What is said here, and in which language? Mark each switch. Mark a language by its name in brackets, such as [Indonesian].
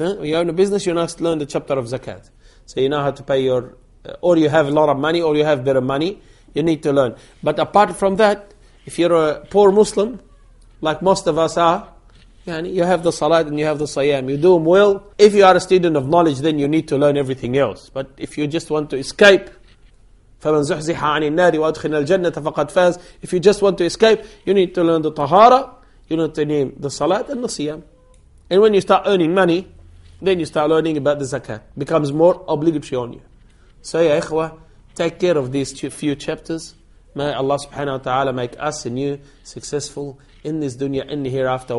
[English] When you own a business, you must learn the chapter of zakat. So you know how to pay your, or you have a lot of money, or you have better money, you need to learn. But apart from that, if you're a poor Muslim, like most of us are, you have the Salat and you have the Siyam. You do them well. If you are a student of knowledge, then you need to learn everything else. But if you just want to escape, [Arabic] فَمَنْ زُحْزِحَ عَنِ النَّارِ وَأَدْخِنَ الْجَنَّةَ فَقَدْ فَازِ. [English] If you just want to escape, you need to learn the Tahara, you need to name the Salat and the Siyam. And when you start earning money, then you start learning about the Zakat. Becomes more obligatory on you. So ya ikhwah, take care of these few chapters. May Allah subhanahu wa ta'ala make us and you successful in this dunya and hereafter.